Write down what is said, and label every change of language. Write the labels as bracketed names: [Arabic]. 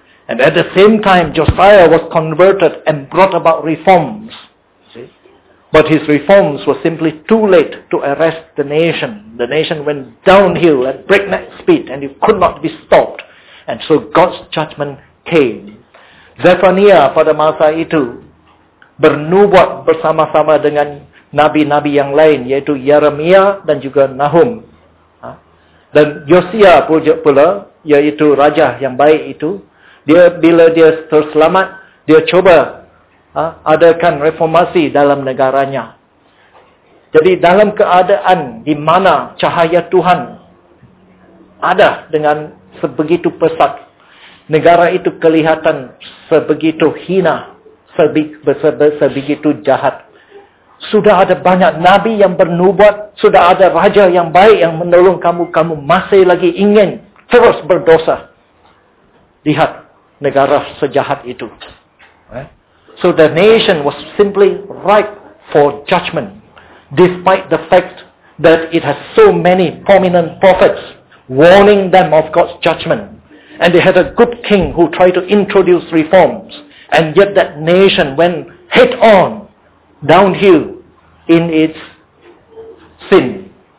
[English] And at the same time, Josiah was converted and brought about reforms. See? But his reforms were simply too late to arrest the nation. The nation went downhill at breakneck speed, and it could not be stopped. And so God's judgment came. [Malay] Zephaniah pada masa itu bernubuat bersama-sama dengan nabi-nabi yang lain, yaitu Yeremia dan juga Nahum. Dan Yosia pula, yaitu raja yang baik itu, dia bila dia terselamat, dia cuba adakan reformasi dalam negaranya. Jadi dalam keadaan di mana cahaya Tuhan ada dengan sebegitu pesat, negara itu kelihatan sebegitu hina, sebegitu jahat. Sudah ada banyak nabi yang bernubuat, sudah ada raja yang baik yang menolong kamu, kamu masih lagi ingin terus berdosa. Lihat negara sejahat itu. [English] So the nation was simply ripe for judgment, despite the fact that it has so many prominent prophets warning them of God's judgment. And they had a good king who tried to introduce reforms. And yet that nation went head on downhill in its sin.